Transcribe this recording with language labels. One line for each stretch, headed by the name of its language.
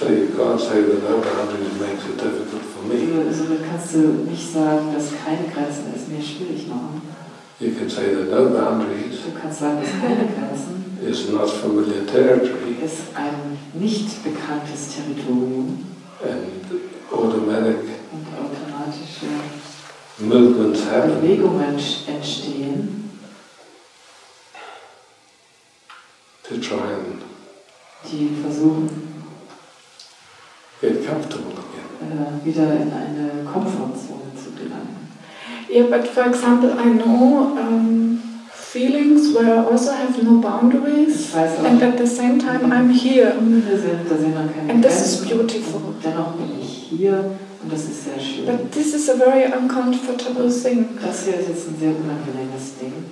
English: So you can't say that no boundaries makes it difficult for me.
German: So kannst du nicht sagen, dass keine Grenzen es mir schwierig machen.
English: You can say that no boundaries.
German: Du kannst sagen, dass keine Grenzen.
English: Is not familiar territory.
German: Ist ein nicht bekanntes Territorium.
English: And automatic.
German: Und automatische
English: movements happen.
German: Bewegungen entstehen.
English: To try and.
German: Die versuchen,
English: get comfortable again.
German: Wieder in eine Komfortzone zu gelangen.
English: Yeah, but for example, I know feelings where I also have no boundaries, and at the same time I'm here. And this is beautiful.
German: Und dennoch bin ich hier, und das ist sehr schön.
English: But this is a very uncomfortable thing.
German: Das hier ist jetzt ein sehr unangenehmes Ding.